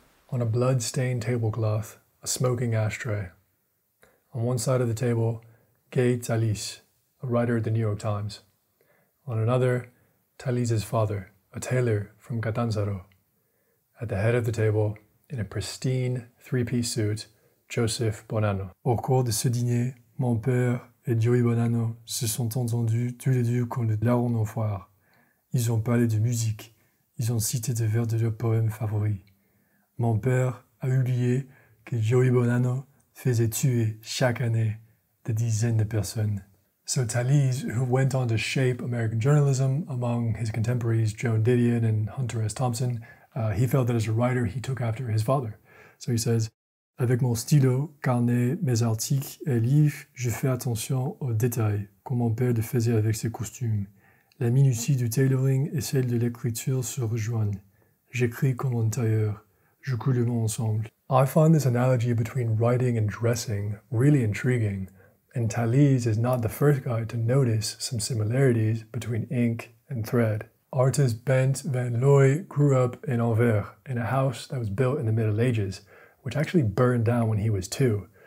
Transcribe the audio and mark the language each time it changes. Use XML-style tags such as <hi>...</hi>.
<en>On a blood-stained tablecloth, a smoking ashtray. On one side of the table, Gay Talese, a writer at the New York Times. On another, Talese's father, a tailor from Catanzaro. At the head of the table, in a pristine three-piece suit, Joseph Bonanno.</en> <fr>Au cours de ce dîner, mon père et Joey Bonanno se sont entendus tous les deux comme des larrons au foire. Ils ont parlé de musique, ils ont cité des vers de leurs poèmes favoris. Mon père a oublié que Joey Bonanno faisait tuer chaque année des dizaines de personnes.</fr> <en>So Talese, who went on to shape American journalism among his contemporaries Joan Didion and Hunter S. Thompson, he felt that as a writer he took after his father. So he says,</en> <fr>avec mon stylo, carnet, mes articles et livres, je fais attention aux détails, comme mon père le faisait avec ses costumes. La minutie du tailoring et celle de l'écriture se rejoignent. J'écris comme un tailleur. Je couds le mot ensemble.</fr> <en>I find this analogy between writing and dressing really intriguing, and Talese is not the first guy to notice some similarities between ink and thread. Artist Bent van Looy grew up in Anvers, in a house that was built in the Middle Ages, which actually burned down when he was two.</en>